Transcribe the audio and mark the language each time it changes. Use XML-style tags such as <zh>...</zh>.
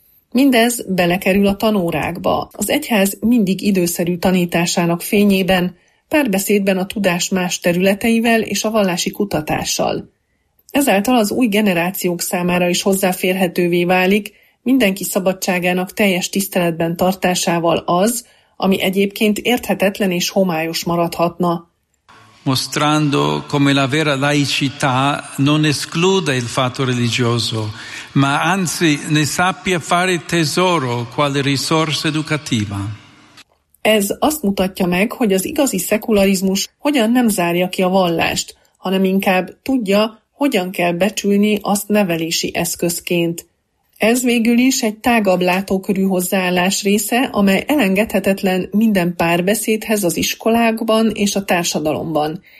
<hu>Mindez belekerül a tanórákba, az egyház mindig időszerű tanításának fényében, párbeszédben a tudás más területeivel és a vallási kutatással. Ezáltal az új generációk számára is hozzáférhetővé válik, mindenki szabadságának teljes tiszteletben tartásával az, ami egyébként érthetetlen és homályos maradhatna.</hu> <it>Mostrando come la vera laicità non esclude il fatto religioso, ma anzi ne sappia fare tesoro quale risorsa educativa.</it> <hu>Ez azt mutatja meg, hogy az igazi szekularizmus hogyan nem zárja ki a vallást, hanem inkább tudja, hogyan kell becsülni azt nevelési eszközként. Ez végül is egy tágabb látókörű hozzáállás része, amely elengedhetetlen minden párbeszédhez az iskolákban és a társadalomban.</hu>